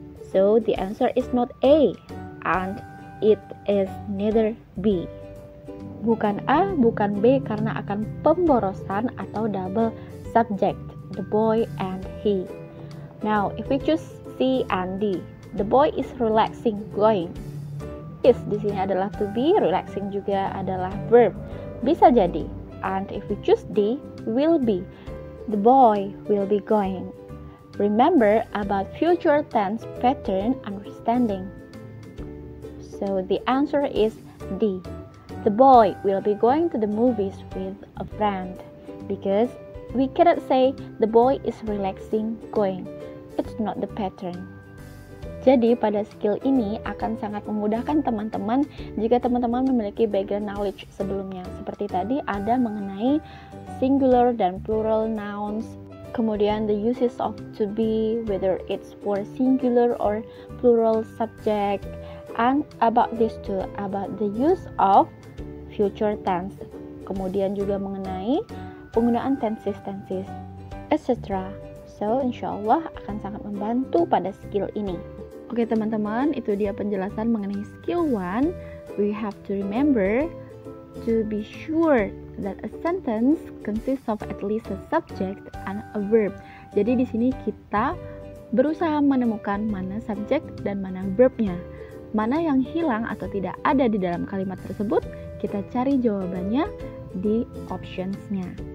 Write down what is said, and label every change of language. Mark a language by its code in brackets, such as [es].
[en] So the answer is not A, and it is neither B. [id] Bukan A, bukan B, karena akan pemborosan atau double subject, [en] the boy and he. Now, if we choose C and D, the boy is relaxing, going. [id] Is di sini adalah to be, relaxing juga adalah verb. Bisa jadi. [en] And if we choose D, will be, the boy will be going. Remember about future tense pattern understanding. So the answer is D. The boy will be going to the movies with a friend, because we cannot say the boy is relaxing going. It's not the pattern. [id] Jadi pada skill ini akan sangat memudahkan teman-teman jika teman-teman memiliki background knowledge sebelumnya. Seperti tadi ada mengenai singular dan plural nouns. [en] Kemudian the uses of to be, whether it's for singular or plural subject. And about this too, about the use of future tense. [id] Kemudian juga mengenai penggunaan tenses, etc. So, insyaallah akan sangat membantu pada skill ini. Oke, teman-teman, itu dia penjelasan mengenai skill 1. [en] We have to remember to be sure that a sentence consists of at least a subject and a verb. [id] Jadi di sini kita berusaha menemukan mana subject dan mana verbnya. Mana yang hilang atau tidak ada di dalam kalimat tersebut, kita cari jawabannya di options-nya.